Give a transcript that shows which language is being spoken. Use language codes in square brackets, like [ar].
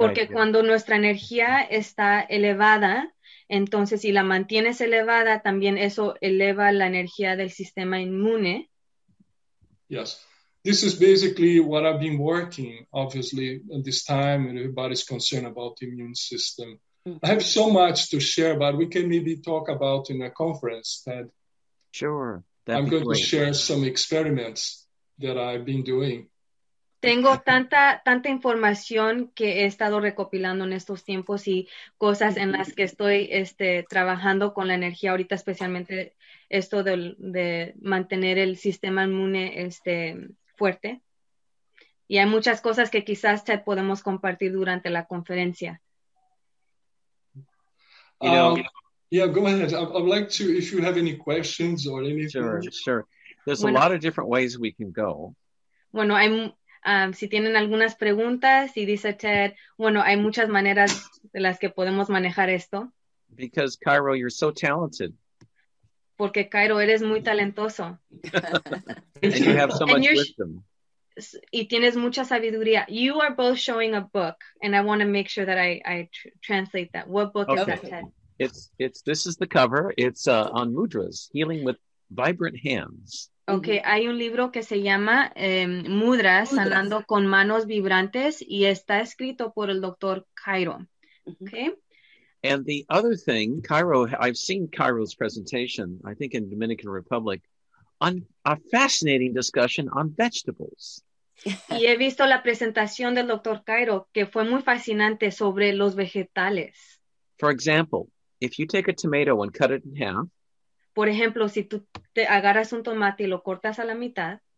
[es] Porque cuando nuestra energía está elevada, entonces si la mantienes elevada, también eso eleva la energía del sistema inmune. [en] Yes, this is basically what I've been working, obviously, at this time, and everybody's concerned about the immune system. I have so much to share, but we can maybe talk about in a conference, Ted. Sure. I'm going to share some experiments that I've been doing. [es] Tengo tanta información que he estado recopilando en estos tiempos y cosas en las que estoy trabajando con la energía ahorita, especialmente esto de mantener el sistema inmune fuerte. Y hay muchas cosas que quizás te podemos compartir durante la conferencia. [en] Yeah, go ahead. I'd like to, if you have any questions or anything. Sure. There's a lot of different ways we can go. [es] Bueno, si tienen algunas preguntas, y dice Ted, bueno, hay muchas maneras de las que podemos manejar esto. [en] Because Cairo, you're so talented. [es] Porque Cairo, eres muy talentoso. [en] And you have so much wisdom. [es] Y tienes mucha sabiduría. [en] You are both showing a book, and I want to make sure that I translate that. What book is that, Ted? It's this is the cover. It's on mudras, healing with vibrant hands. [es] Okay, hay un libro que se llama Mudras, sanando con manos vibrantes, y está escrito por el Dr. [en] Cairo. Okay. And the other thing, Cairo, I've seen Cairo's presentation, I think in Dominican Republic, on a fascinating discussion on vegetables. [es] Y he visto la presentación del Dr. Cairo, que fue muy fascinante sobre los vegetales. [en] For example, if you take a tomato and cut it in half, [es] por ejemplo, si tú te agarras un tomate y lo cortas a la mitad,